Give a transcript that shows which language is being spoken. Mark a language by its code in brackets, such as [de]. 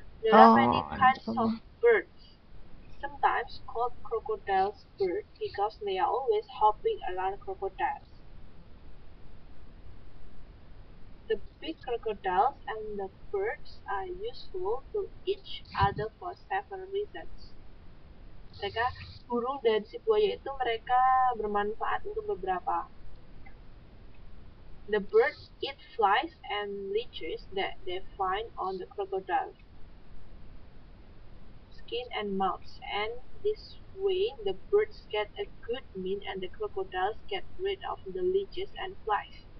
[en] There are many kinds of birds, sometimes called crocodiles bird because they are always hopping around crocodiles. The big crocodiles and the birds are useful to each other for several reasons. [id] Mereka burung dan si buaya itu mereka bermanfaat untuk beberapa. [en] The birds eat flies and leeches that they find on the crocodile's skin and mouth. And this way, the birds get a good meal and the crocodiles get rid of the leeches and flies.